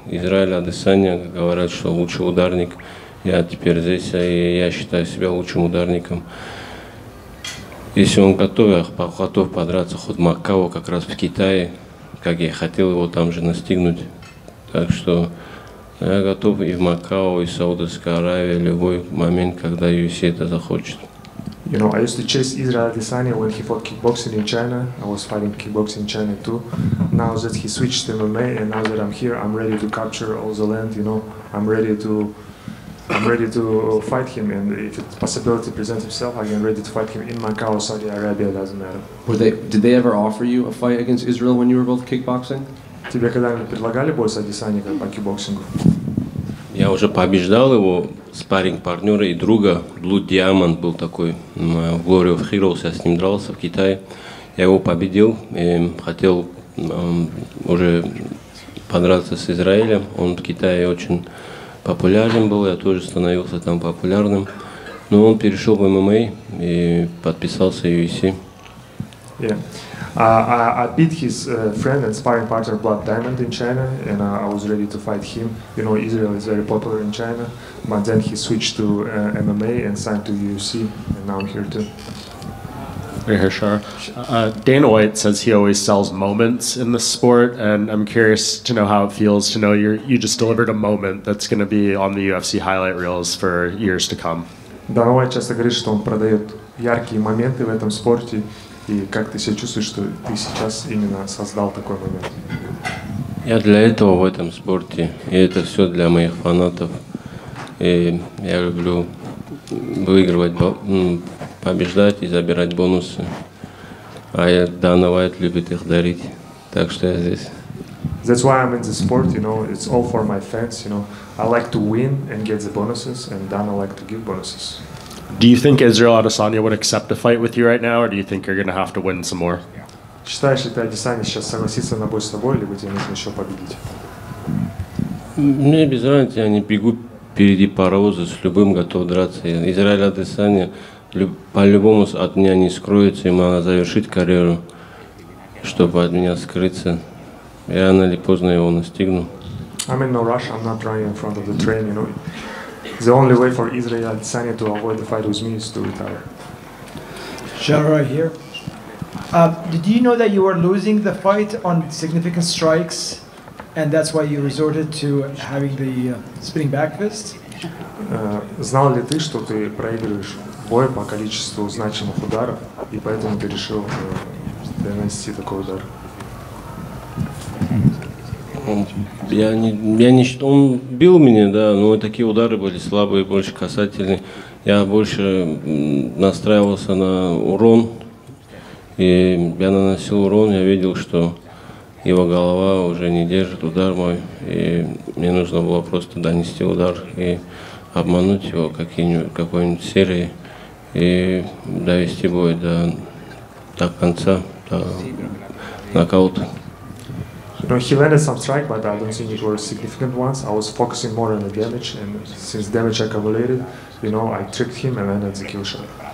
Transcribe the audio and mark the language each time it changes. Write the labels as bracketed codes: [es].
[ru] Израиль Адесанья, говорят, что лучший ударник, я теперь здесь, и я считаю себя лучшим ударником. Если он готов подраться хоть в Макао, как раз в Китае, как я хотел его там же настигнуть. Так что я готов и в Макао, и в Саудовской Аравии, любой момент, когда UFC это захочет. [en] You know, I used to chase Israel Adesanya when he fought kickboxing in China. I was fighting kickboxing in China too. Now that he switched to MMA and now that I'm here, I'm ready to capture all the land, you know. I'm ready to fight him, and if the possibility presents itself, I am ready to fight him in Macau, Saudi Arabia, it doesn't matter. Did they ever offer you a fight against Israel when you were both kickboxing? [ru] Тебе когда-нибудь предлагали бой с Адесанья по кикбоксингу? Я уже побеждал его, спарринг-партнера и друга. Blue Diamond был такой, Glory of Heroes, я с ним дрался в Китае. Я его победил и хотел уже подраться с Израилем. Он в Китае очень популярен был, я тоже становился там популярным. Но он перешел в ММА и подписался в UFC. [en] Yeah. I beat his friend and sparring partner Blood Diamond in China, and I was ready to fight him. You know, Israel is very popular in China, but then he switched to MMA and signed to UFC, and now I'm here too. Hey, Hishar. Dana White says he always sells moments in the sport, and I'm curious to know how it feels to know you just delivered a moment that's going to be on the UFC highlight reels for years to come. [ru] Dana White часто говорит, что он продает яркие моменты в этом спорте, и как ты себя чувствуешь, что ты сейчас именно создал такой момент? Я для этого в этом спорте, и это все для моих фанатов. И я люблю выигрывать, побеждать и забирать бонусы. А я Дана Уайт любит их дарить. Так что я здесь. [en] That's why I'm in the sport, you know, it's all for my fans, you know. I like to win and get the bonuses, and Dana like to give bonuses. Do you think Israel Adesanya would accept a fight with you right now, or do you think you're gonna have to win some more? [ru] Считаешь ли ты, Адесанья сейчас согласится на бой с тобой, либо тебе нужно еще победить? Мне без разницы, я не бегу впереди паровоза, с любым готов драться. Израиль Адесанья по-любому от меня не скроется, ему надо завершить карьеру, чтобы от меня скрыться. Я рано или поздно его настигну. [en] I'm in no rush, I'm not running in front of the train, you know. The only way for Israel Adesanya to avoid the fight with me is to retire. Shara here. Did you know that you were losing the fight on significant strikes, and that's why you resorted to having the spinning back fist? [ru] Знал ли ты, что ты проигрываешь бой по количеству значимых ударов, и поэтому ты решил нанести такой удар? Я не считал, он бил меня, да, но такие удары были слабые, больше касательные. Я больше настраивался на урон, и я наносил урон, я видел, что его голова уже не держит удар мой, и мне нужно было просто донести удар и обмануть его какой-нибудь серией и довести бой до конца, до нокаута. [en] No, he landed some strike, but I don't think it were significant ones. I was focusing more on the damage, and since damage accumulated, you know, I tricked him and landed the kill shot.